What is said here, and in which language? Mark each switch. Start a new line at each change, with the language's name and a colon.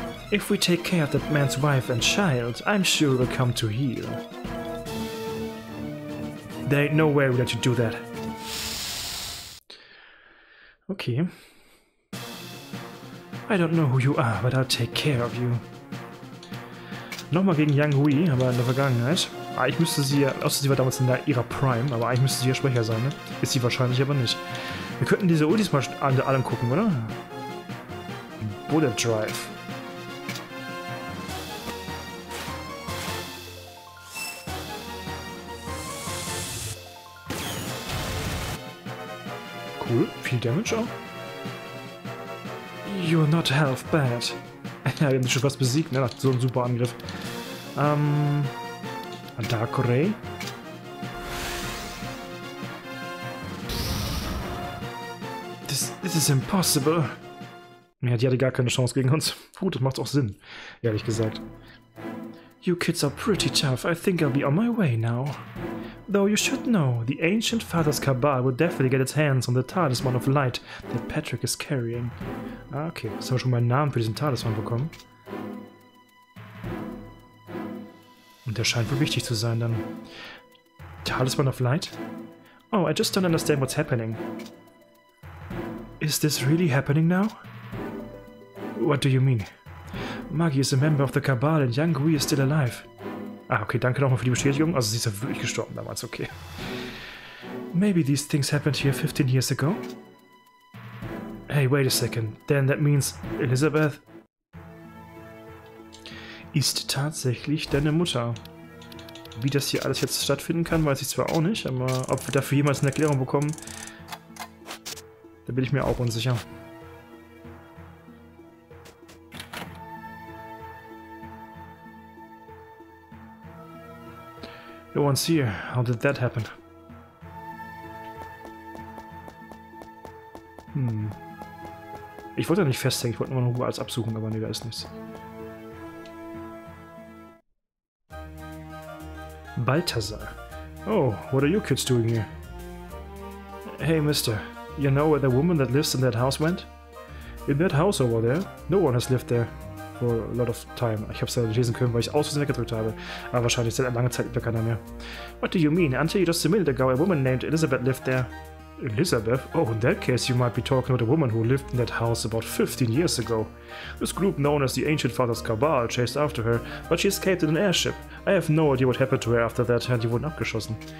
English: If we take care of that man's wife and child, I'm sure we'll come to heal. There ain't no way we let you do that. Okay. I don't know who you are, but I'll take care of you.
German: Nochmal gegen Yang-Gui, aber in der Vergangenheit. Ah, ich müsste sie ja, außer sie war damals in ihrer Prime, aber eigentlich müsste sie ja Sprecher sein, ne? Ist sie wahrscheinlich aber nicht. Wir könnten diese Ultis mal alle angucken, oder?
English: Bullet Drive.
German: Cool, viel Damage auch.
English: You're not half bad.
German: Ja, wir haben schon fast besiegt, ne? So ein super Angriff. Dark Ray.
English: This is impossible.
German: Ja, die hatte gar keine Chance gegen uns. Puh, das macht auch Sinn, ehrlich gesagt.
English: You kids are pretty tough. I think I'll be on my way now. Though you should know, the ancient father's cabal would definitely get its hands on the talisman of light that Patrick is carrying.
German: Ah, okay. Jetzt haben wir schon meinen Namen für diesen Talisman bekommen. Und der scheint wohl wichtig zu sein, dann.
English: Talisman of Light? Oh, I just don't understand what's happening. Is this really happening now? What do you mean? Maggie is a member of the Cabal and Yang-Gui is still alive.
German: Ah, okay, danke nochmal für die Bestätigung. Also sie ist ja wirklich gestorben damals, okay.
English: Maybe these things happened here 15 years ago? Hey, wait a second. Then that means Elizabeth...
German: ist tatsächlich deine Mutter. Wie das hier alles jetzt stattfinden kann, weiß ich zwar auch nicht, aber ob wir dafür jemals eine Erklärung bekommen, da bin ich mir auch unsicher.
English: No one's here. How did that happen?
German: Ich wollte nicht festhängen, ich wollte nur noch Ruhe als absuchen, aber nee, da ist nichts.
English: Balthasar. Oh, what are you kids doing here? Hey, mister. You know where the woman that lives in that house went? In that house over there? No one has lived there for a lot of time.
German: Ich hab's ja lesen können, weil ich aus Versehen weggedrückt habe. Aber wahrscheinlich seit einer langen Zeit lebt da keiner mehr.
English: What do you mean? Until you just a minute ago, a woman named Elizabeth lived there. Elizabeth? Oh, in that case, you might be talking about a woman who lived in that house about 15 years ago. This group known as the Ancient Father's Cabal chased after her, but she escaped in an airship. I have no idea what happened to her after that, and you
German: wurden abgeschossen.